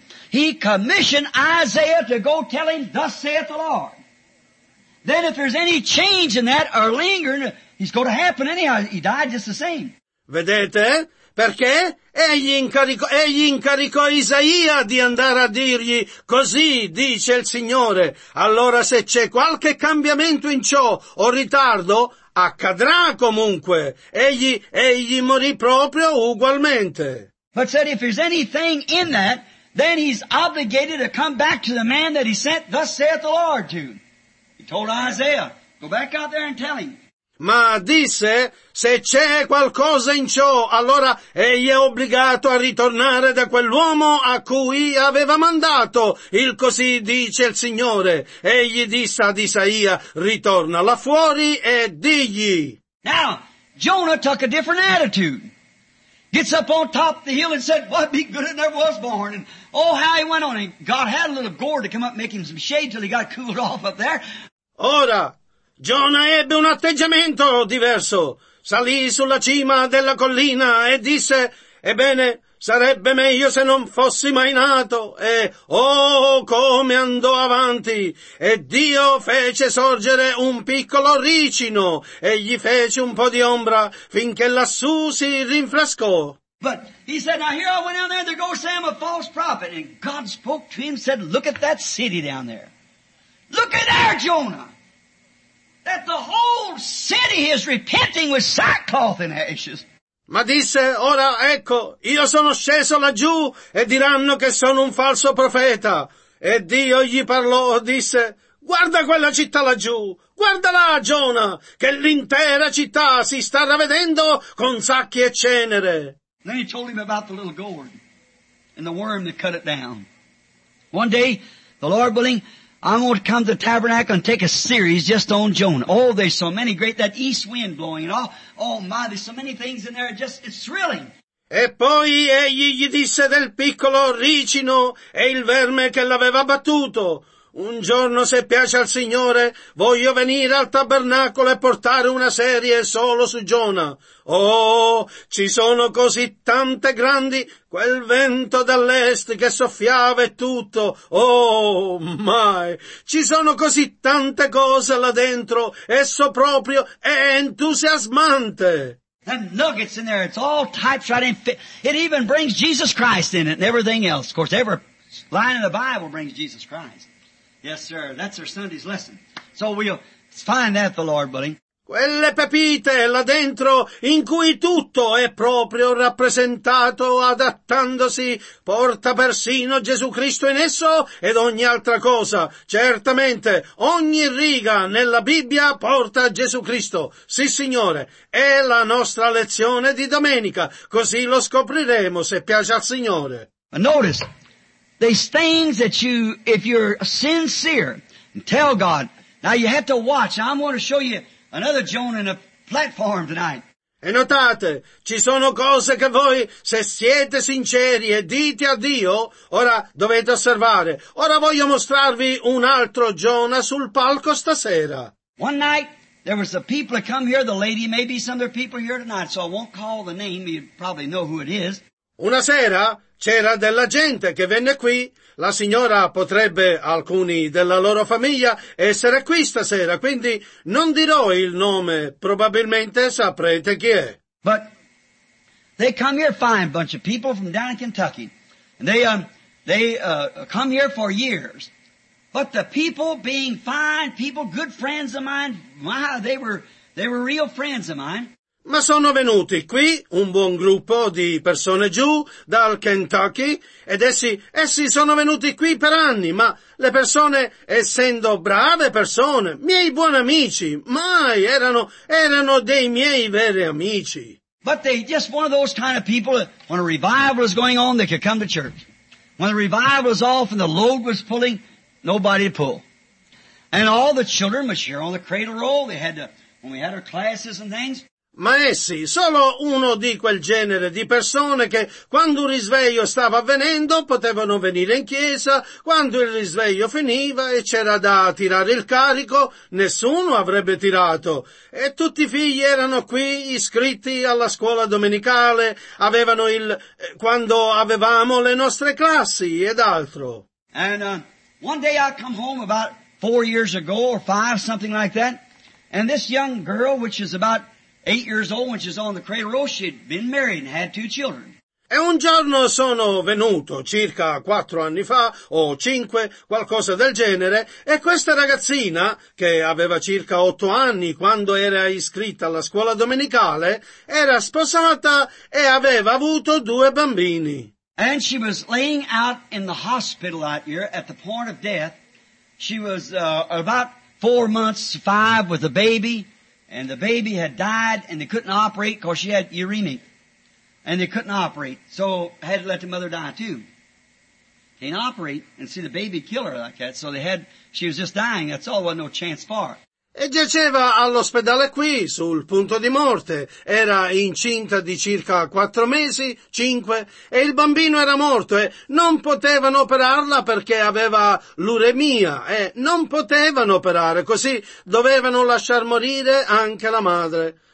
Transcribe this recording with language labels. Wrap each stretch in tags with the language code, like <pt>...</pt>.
<en>He commissioned Isaiah to go tell him, thus saith the Lord. Then if there's any change in that or lingering, it's going to happen anyhow. He died just the same.</en> <it>Vedete? Perché? Egli incaricò Isaia di andare a dirgli, così dice il Signore. Allora se c'è qualche cambiamento in ciò o ritardo, accadrà comunque. Egli morì proprio ugualmente.</it> <en>But said if there's anything in that, then he's obligated to come back to the man that he sent, thus saith the Lord to. He told Isaiah, go back out there and tell him.</en> <it>Ma disse, se c'è qualcosa in ciò, allora egli è obbligato a ritornare da quell'uomo a cui aveva mandato. Il così dice il Signore. Egli disse ad Isaia, ritorna là fuori e digli.</it> <en>Now, Jonah took a different attitude. Gets up on top of the hill and said, what be good if there was born. And oh, how he went on. And God had a little gourd to come up and make him some shade till he got cooled off up there.</en> <it>Ora, Giona ebbe un atteggiamento diverso. Salì sulla cima della collina e disse, ebbene, sarebbe meglio se non fossi mai nato. E, oh, come andò avanti! E Dio fece sorgere un piccolo ricino e gli fece un po' di ombra finché lassù si rinfrescò.</it> <en>But he said, now here I went down there, there goes Sam, a false prophet. And God spoke to him, said, look at that city down there. Look at there, Jonah! That the whole city is repenting with sackcloth and ashes.</en> <it>Ma disse, ora ecco, io sono sceso laggiù e diranno che sono un falso profeta. E Dio gli parlò, disse, guarda quella città laggiù, guarda là, Giona, che l'intera città si sta ravvedendo con sacchi e cenere.</it> <en>Then he told him about the little gourd and the worm that cut it down. One day, the Lord willing, I'm going to come to the tabernacle and take a series just on Jonah. Oh, there's so many great, that east wind blowing and all. Oh my, there's so many things in there, it's thrilling.</en> <it>E poi egli gli disse del piccolo ricino e il verme che l'aveva battuto. Un giorno, se piace al Signore, voglio venire al tabernacolo e portare una serie solo su Giona. Oh, ci sono così tante grandi, quel vento dall'est che soffiava e tutto. Oh, mai! Ci sono così tante cose là dentro, esso proprio è entusiasmante.</it> <en>The nuggets in there, it's all types right in fit. It even brings Jesus Christ in it and everything else. Of course, every line in the Bible brings Jesus Christ. Yes, sir. That's our Sunday's lesson. So we'll find that, the Lord willing.</en> <it>Quelle pepite là dentro in cui tutto è proprio rappresentato adattandosi porta persino Gesù Cristo in esso ed ogni altra cosa. Certamente ogni riga nella Bibbia porta a Gesù Cristo. Sì, Signore, è la nostra lezione di domenica. Così lo scopriremo se piace al Signore.</it> <en>But notice. These things that you, if you're sincere, tell God. Now you have to watch. I'm going to show you another Jonah in a platform tonight.</en> <it>E notate, ci sono cose che voi, se siete sinceri e dite a Dio, ora dovete osservare. Ora voglio mostrarvi un altro Jonah sul palco stasera.</it> <en>One night, there was a people that come here, the lady, maybe some other people here tonight, so I won't call the name, you probably know who it is.</en> <it>Una sera, c'era della gente che venne qui, la signora potrebbe, alcuni della loro famiglia, essere qui stasera, quindi non dirò il nome, probabilmente saprete chi è.</it> <en>But they come here, fine bunch of people from down in Kentucky, and they come here for years, but the people being fine people, good friends of mine, wow, they were real friends of mine.</en> <it>Ma sono venuti qui un buon gruppo di persone giù dal Kentucky ed essi sono venuti qui per anni, ma le persone, essendo brave persone, miei buoni amici, mai erano dei miei veri amici.</it> <en>But they just one of those kind of people that when a revival is going on they could come to church. When the revival is off and the load was pulling, nobody to pull. And all the children must share on the cradle roll, they had to when we had our classes and things.</en> <it>Ma essi, solo uno di quel genere di persone che quando un risveglio stava avvenendo potevano venire in chiesa, quando il risveglio finiva e c'era da tirare il carico, nessuno avrebbe tirato. E tutti i figli erano qui, iscritti alla scuola domenicale, avevano il, quando avevamo le nostre classi ed altro.</it> <en>And one day I come home about 4 years ago or five, something like that, and this young girl, which is about 8 years old when she's on the cradle roll, she'd been married and had 2 children.</en> <it>E un giorno sono venuto, circa 4 anni fa, o 5, qualcosa del genere, e questa ragazzina, che aveva circa 8 anni quando era iscritta alla scuola domenicale, era sposata e aveva avuto 2 bambini.</it> <en>And she was laying out in the hospital that year at the point of death. She was about 4 months, 5 with a baby. And the baby had died and they couldn't operate because she had uremic. And they couldn't operate. So I had to let the mother die too. Can't operate and see the baby kill her like that. So they had, she was just dying. That's all, wasn't no chance for her.</en> <it>E giaceva all'ospedale qui, sul punto di morte. Era incinta di circa 4 mesi, 5, e il bambino era morto e non potevano operarla perché aveva l'uremia. E non potevano operare, così dovevano lasciar morire anche la madre.</it>